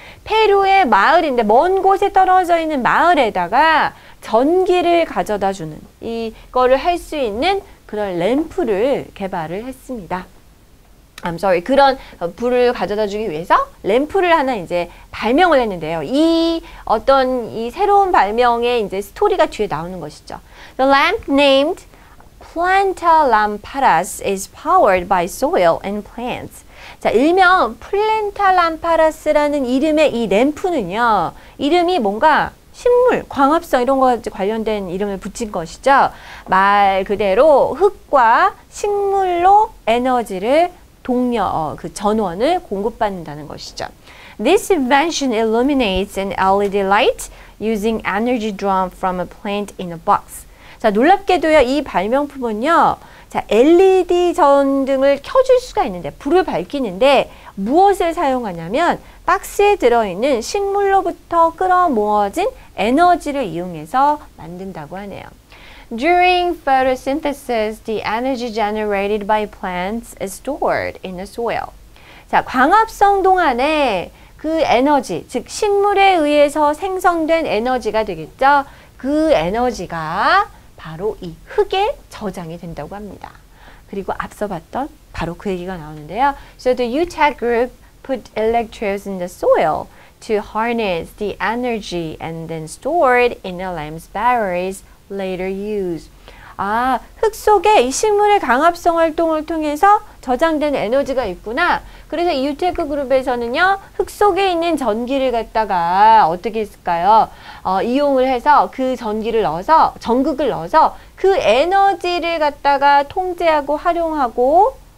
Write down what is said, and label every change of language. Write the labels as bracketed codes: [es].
[ko] 페루의 마을인데 먼 곳에 떨어져 있는 마을에다가 전기를 가져다 주는 이거를 할 수 있는 그런 램프를 개발을 했습니다. [en] I'm sorry. [ko] 그런 불을 가져다 주기 위해서 램프를 하나 이제 발명을 했는데요. 이 어떤 이 새로운 발명의 이제 스토리가 뒤에 나오는 것이죠. [en] The lamp named Planta Lamparas is powered by soil and plants. [ko] 자, 일명 Planta Lamparas라는 이름의 이 램프는요. 이름이 뭔가 식물, 광합성 이런 것과 관련된 이름을 붙인 것이죠. 말 그대로 흙과 식물로 에너지를 전원을 공급받는다는 것이죠. [en] This invention illuminates an LED light using energy drawn from a plant in a box. [ko] 자, 놀랍게도요, 이 발명품은요, 자, LED 전등을 켜줄 수가 있는데, 불을 밝히는데, 무엇을 사용하냐면, 박스에 들어있는 식물로부터 끌어모아진 에너지를 이용해서 만든다고 하네요. [en] During photosynthesis, the energy generated by plants is stored in the soil. [ko] 자, 광합성 동안에 그 에너지, 즉 식물에 의해서 생성된 에너지가 되겠죠. 그 에너지가 바로 이 흙에 저장이 된다고 합니다. 그리고 앞서 봤던 바로 그 얘기가 나오는데요. [en] So the Utah group put electrodes in the soil to harness the energy and then store it in the lime's berries. Later use. [ko] 아, 흙 속에 이 식물의 강합성 활동을 통해서 저장된 에너지가 있구나. 그래서 유테크 그룹에서는요, 흙 속에 있는 전기를 갖다가 어떻게 했을까요? 이용을 해서 그 전기를 넣어서, 전극을 넣어서 그 에너지를 갖다가 통제하고 활용하고